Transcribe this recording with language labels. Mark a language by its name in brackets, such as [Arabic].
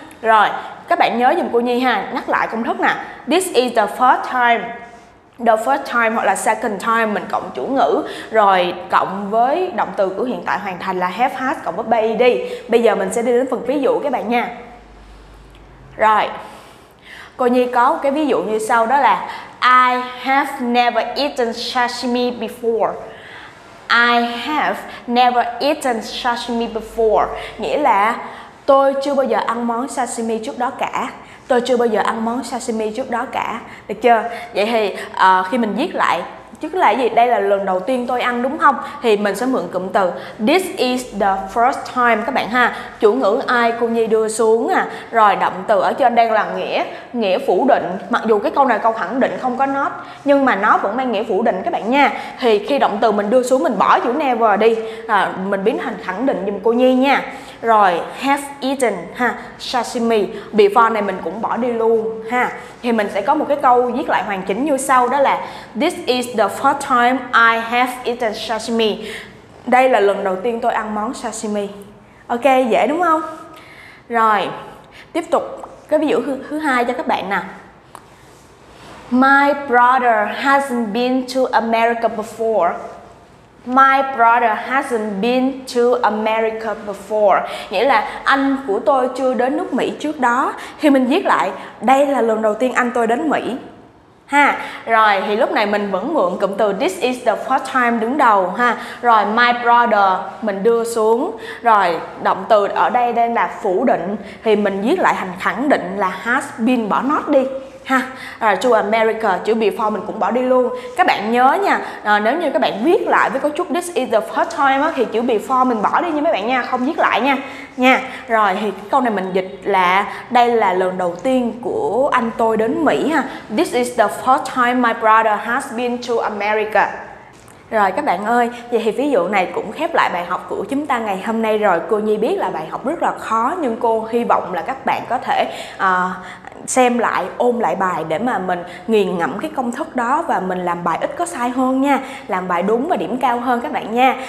[Vietnamese] Rồi các bạn nhớ giùm cô Nhi ha, nhắc lại công thức nè: [English] this is the first time, [Vietnamese] the first time hoặc là second time mình cộng chủ ngữ, rồi cộng với động từ của hiện tại hoàn thành là have had cộng với be đi. Bây giờ mình sẽ đi đến phần ví dụ các bạn nha. Rồi cô Nhi có cái ví dụ như sau, đó là [English] I have never eaten sashimi before. I have never eaten sashimi before. [Vietnamese] Nghĩa là tôi chưa bao giờ ăn món sashimi trước đó cả. Tôi chưa bao giờ ăn món sashimi trước đó cả. Được chưa? Vậy thì khi mình viết lại, trước là gì? Đây là lần đầu tiên tôi ăn đúng không? Thì mình sẽ mượn cụm từ [English] this is the first time [Vietnamese] các bạn ha. Chủ ngữ I cô Nhi đưa xuống à. Rồi động từ ở trên đang là nghĩa phủ định. Mặc dù cái câu này câu khẳng định không có not, nhưng mà nó vẫn mang nghĩa phủ định các bạn nha. Thì khi động từ mình đưa xuống, mình bỏ chữ never đi, mình biến thành khẳng định giùm cô Nhi nha. Rồi have eaten ha sashimi, before này mình cũng bỏ đi luôn ha. Thì mình sẽ có một cái câu viết lại hoàn chỉnh như sau, đó là [English] this is the first time I have eaten sashimi. [Vietnamese] Đây là lần đầu tiên tôi ăn món sashimi. Ok, dễ đúng không? Rồi tiếp tục cái ví dụ thứ hai cho các bạn nè. [English] My brother hasn't been to America before. My brother hasn't been to America before. [Vietnamese] Nghĩa là anh của tôi chưa đến nước Mỹ trước đó. Thì mình viết lại, đây là lần đầu tiên anh tôi đến Mỹ ha. Rồi thì lúc này mình vẫn mượn cụm từ [English] this is the first time [Vietnamese] đứng đầu ha. Rồi my brother mình đưa xuống. Rồi động từ ở đây đang là phủ định, thì mình viết lại thành khẳng định là has been, bỏ not đi ha. To America, chữ before mình cũng bỏ đi luôn. Các bạn nhớ nha, nếu như các bạn viết lại với cấu trúc [English] this is the first time [Vietnamese] á, thì chữ before mình bỏ đi nha mấy bạn nha, không viết lại nha. Nha. Rồi thì câu này mình dịch là đây là lần đầu tiên của anh tôi đến Mỹ ha. [English] This is the first time my brother has been to America. [Vietnamese] Rồi các bạn ơi, vậy thì ví dụ này cũng khép lại bài học của chúng ta ngày hôm nay rồi. Cô Nhi biết là bài học rất là khó, nhưng cô hy vọng là các bạn có thể xem lại, ôm lại bài để mà mình nghiền ngẫm cái công thức đó và mình làm bài ít có sai hơn nha, làm bài đúng và điểm cao hơn các bạn nha.